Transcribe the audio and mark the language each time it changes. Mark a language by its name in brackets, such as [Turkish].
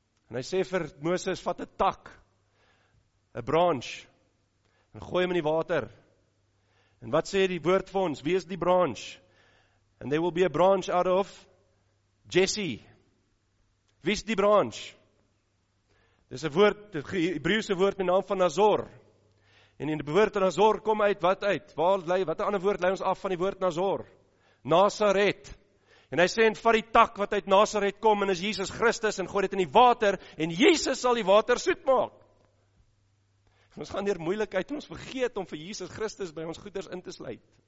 [Afrikaans] En hy sê vir Moses, vat 'n tak, 'n branch, en gooi hom in die water. En wat sê die woord vir ons? Wie is die branch? [English] And there will be a branch out of Jesse. [Afrikaans] Wie is die branch? Dis 'n woord, 'n Hebreëse woord met naam van Nazor. En in die woord Nazor kom uit wat uit? Waar lê wat 'n ander woord lê ons af van die woord Nazor? Nazareth. En hy sê en vat die tak wat uit Nazareth kom en is Jesus Christus en gooi dit in die water en Jesus sal die water soet maak. Ons gaan deur moeilikheid en ons vergeet om vir Jesus Christus by ons goeders in te sluit.